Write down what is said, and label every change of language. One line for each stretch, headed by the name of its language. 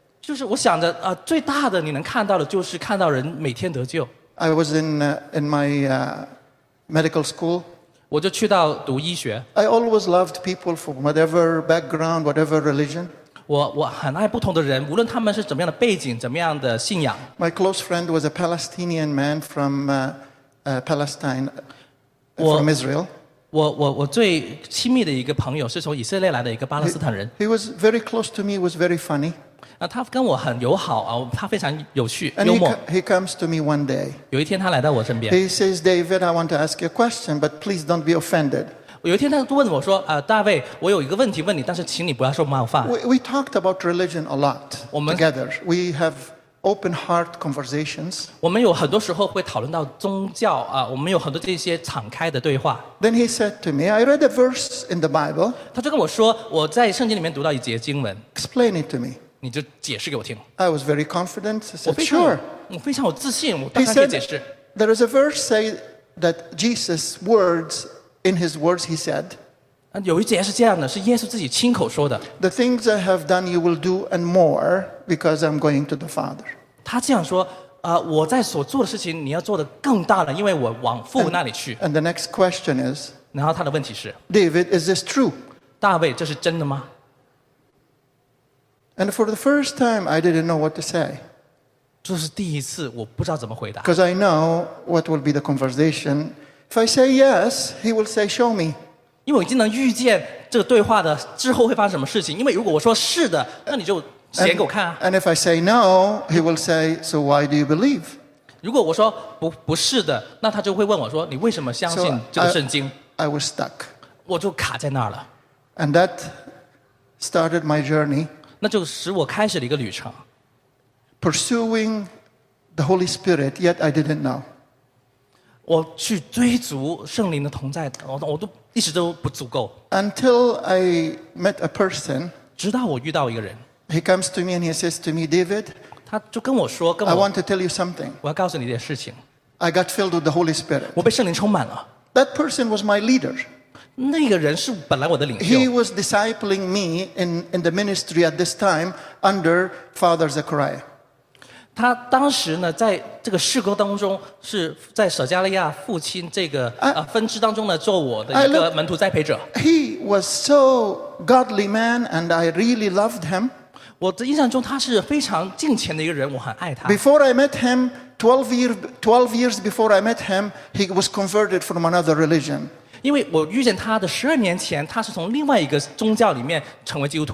Chinese: 就是我想着最大的你能看到的就是看到人每天得救。
English: I was in my medical school.
Chinese: 我就去到读医学。
English: I always loved people from whatever background, whatever religion.
Chinese: 我很爱不同的人，无论他们是怎么样的背景，怎么样的信仰。
English: My close friend was a Palestinian man from Palestine, from Israel.
Chinese: 我最亲密的一个朋友是从以色列来的一个巴勒斯坦人。
English: He was very close to me. Was very funny.
Chinese: 他跟我很友好他非常有趣
English: And
Chinese: 幽默
English: he comes to me one day.
Chinese: 有一天他来到我身边
English: He says, David, I want to ask you a question, but please don't be offended.
Chinese: 有一天他问我说大卫我有一个问题问你但是请你不要说冒犯
English: We talked about religion a lot together. We have open heart conversations.
Chinese: 我们有很多时候会讨论到宗教我们有很多这些敞开的对话
English: Then he said to me, I read a verse in the Bible.
Chinese: 他就跟我说我在圣经里面读到一节经文
English: Explain it to me.
Chinese: 你就解释给我听。
English: I was very confident. I said, sure.
Chinese: 我非常有自信，我当然可以解释。
English: There is a verse say that Jesus words in his words he said.
Chinese: 有一节是这样的,
English: the things I have done you will do and more because I'm going to the Father.
Chinese: 他这样说, 我在所做的事情你要做得更大了,
English: and the next question is,
Chinese: 然后他的问题是,
English: David, is this true?
Chinese: 大卫,这是真的吗?
English: And for the first time, I didn't know what to say.
Chinese: 这是第一次,
English: because I know what will be the conversation. If I say yes, he will say, show me.
Chinese: 因为我已经能预见这个对话的之后会发生什么事情。因为如果我说是的, 那你就显给我看啊。
English: And if I say no, he will say, so why do you believe?
Chinese: 如果我说不是的, 那他就会问我说, 你为什么相信这个圣经?
English: So I was stuck.
Chinese: 我就卡在那儿了。
English: And that started my journey.
Chinese: 那就使我开始了一个旅程。
English: Pursuing the Holy Spirit, yet I didn't know.
Chinese: 我去追逐圣灵的同在, 我都
English: Until I met a person,
Chinese: 直到我遇到一个人,
English: he comes to me and he says to me, David,
Chinese: 他就跟我说, 跟我,
English: I want to tell you something.
Chinese: 我要告诉你一件事情,
English: I got filled with the Holy Spirit.
Chinese: 我被圣灵充满了,
English: that person was my leader.
Chinese: 那个人是本来我的领袖,
English: he was discipling me in the ministry at this time under Father Zechariah.
Chinese: 他当时呢, 在这个事故当中, 是在舍迦利亚父亲这个, 分支当中呢, 做我的一个门徒栽培者。
English: He was so godly man, and I really loved him.
Chinese: 我的印象中他是非常敬虔的一个人, 我很爱他。
English: Before I met him, 12 years before I met him, he was converted from another religion.
Chinese: 因为我遇见他的12年前, 他是从另外一个宗教里面成为基督徒。